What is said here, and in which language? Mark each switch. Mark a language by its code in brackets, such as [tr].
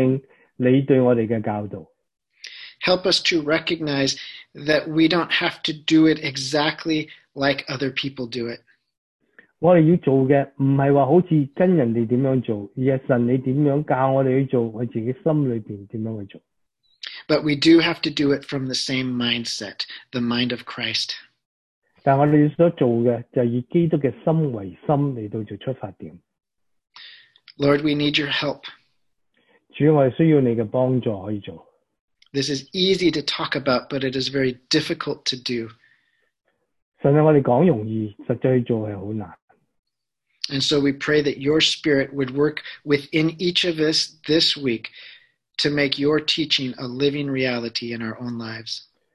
[zh] 神啊,你帮助我们这个星期,真的至少做一样,可以回应你对我们的教导。 [en] Help us to recognize that we don't have to do it exactly like other people do it. [zh] 我们要做的不是好像跟人家怎样做,而是神你怎样教我们去做,我自己心里面怎样去做。 [en] But we do have to do it from the same mindset, the mind of Christ. [zh] 但我们所做的就是以基督的心为心来做出发点。 [en] Lord, we need your help. [zh] 主,我们需要你的帮助可以做。 [en] This is easy to talk about, but it is very difficult to do. [zh] 神,我们说容易,实际去做是很难。 [en] And so we pray that your Spirit would work within each of us this week to make your teaching a living reality in our own lives.